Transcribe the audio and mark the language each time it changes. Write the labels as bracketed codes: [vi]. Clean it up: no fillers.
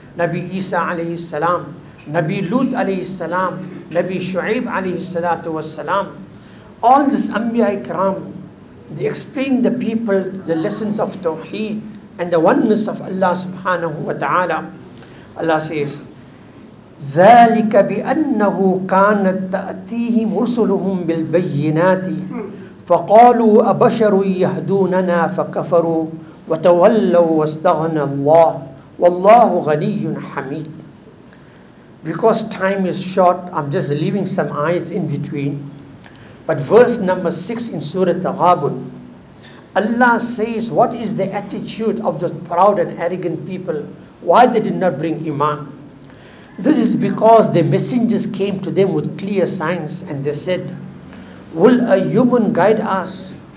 [en] Nabi Isa alayhi salam, Nabi Lut alayhi salam, Nabi Shu'ib alayhi salatu was salam. All this Anbiya Ikram, they explain the people the lessons of Tawheed and the oneness of Allah subhanahu wa ta'ala. Allah says, [ar] ذلك بأنه كانت تأتيهم رسلهم بالبينات فقالوا أبشر يهدوننا فكفروا وتولوا واستغنى الله والله غني حميد. [en] Because time is short, I'm just leaving some ayats in between. But verse number 6 in Surah Taghabun, Allah says, what is the attitude of those proud and arrogant people? Why they did not bring iman? This is because the messengers came to them with clear signs and they said, will a human guide us?